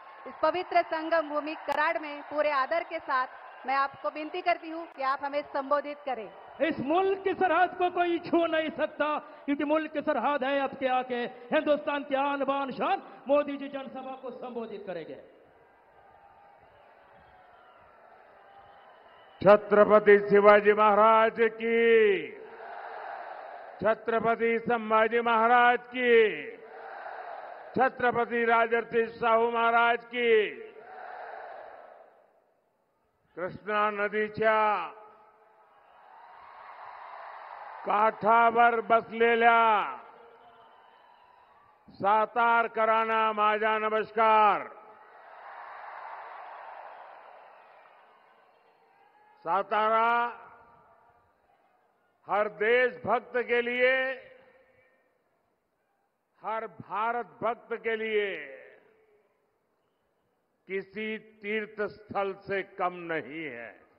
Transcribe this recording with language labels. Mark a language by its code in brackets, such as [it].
[hi] इस पवित्र संगम भूमि कराड़ में पूरे आदर के साथ मैं आपको विनती करती हूँ कि आप हमें संबोधित करें। इस मुल्क की सरहद को कोई छू नहीं सकता, क्योंकि मुल्क की सरहद है आपके आके हिंदुस्तान की आन बान शान। मोदी जी जनसभा को संबोधित करेंगे। छत्रपति शिवाजी महाराज की, छत्रपति संभाजी महाराज की, छत्रपति राजर्षि साहू महाराज की, [mr] कृष्णा नदीच्या काठावर बसलेल्या सातारकरांना माझा नमस्कार। [hi] सातारा हर देशभक्त के लिए, हर भारत भक्त के लिए किसी तीर्थ स्थल से कम नहीं है।